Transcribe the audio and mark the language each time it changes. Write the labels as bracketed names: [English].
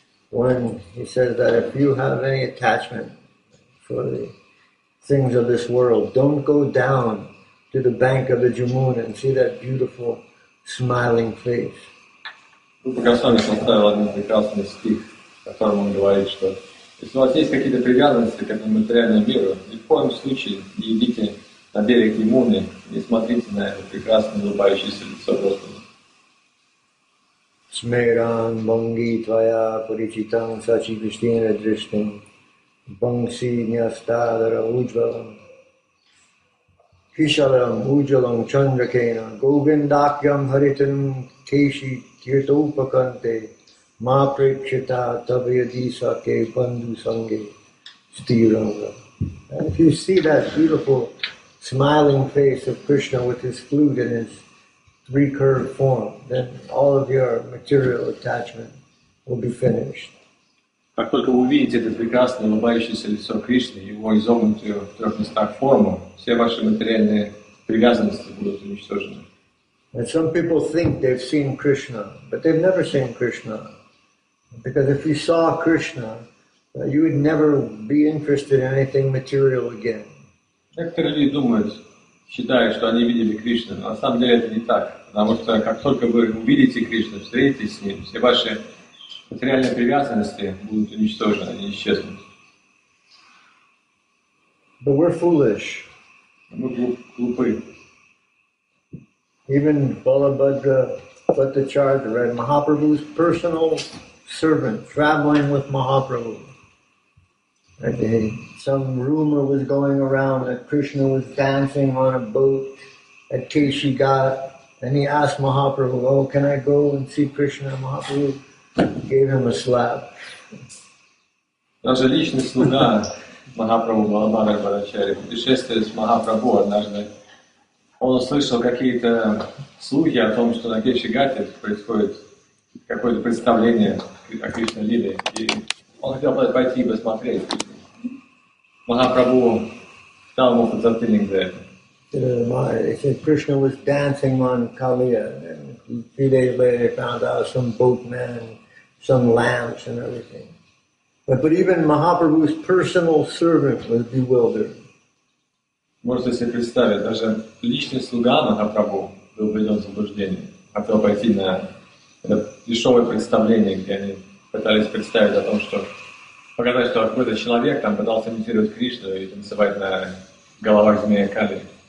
[English] One, he says that if you have any attachment for the things of this world, don't go down to the bank of the Jamuna and see that beautiful smiling face. [Russian] Рупа Госвами составил один прекрасный стих, в котором он говорит, что если у вас есть какие-то привязанности к этому материальному миру, ни в коем случае не идите на берег Ямуны и смотрите на это прекрасное улыбающееся лицо Господа. [Sanskrit] Смейран бонги твоя паричитан сачи кристина дриштин бонгси нястадара уджвалам кишалам уджалам чандракена говиндакьям харитан кеши киртопаканте ма прикшита тавья диса ке банду санге стиранга. [English] And if you see that beautiful smiling face of Krishna with his flute and his three curved form, then all of your material attachment will be finished. [Russian] Как только вы увидите это прекрасное улыбающееся лицо Кришны, его изогнутую в трех местах форму, все ваши материальные привязанности будут уничтожены. [English] And some people think they've seen Krishna, but they've never seen Krishna. Because if you saw Krishna, you would never be interested in anything material again. [Russian] Некоторые люди думают, считают, что они видели Кришну. На самом деле это не так. Потому что как только вы увидите Кришну, встретитесь с ним, все ваши материальные привязанности будут уничтожены, они исчезнут. [English] But we're foolish. [Russian] Мы глупы. [English] Even Balabhadra Bhattacharya, right? Mahaprabhu's personal servant, traveling with Mahaprabhu. Okay. Some rumor was going around that Krishna was dancing on a boat at Keshi Ghat, and he asked Mahaprabhu, oh, can I go and see Krishna? And Mahaprabhu gave him a slap. [Russian] Даже личный слуга Махапрабху Балабхадра Бхаттачарьи путешествует с Махапрабху однажды. Он услышал какие-то слухи о том, что на Кеши Гате происходит какое-то представление о Кришна Лиле. Он хотел пойти и посмотреть. Махапрабху дал ему подзатыльник за это. [English] He said Krishna was dancing on Kaliya, and a few days later they found out some boatman, some lamps and everything. But even Mahaprabhu's personal servant was bewildered. [Russian] Можете себе представить, даже личный слуга Махапрабху был введен в заблуждение. Хотел пойти на это дешевое представление, где они пытались представить о том, что показать, что какой-то человек там пытался имитировать Кришну и танцевать на головах змея Кали.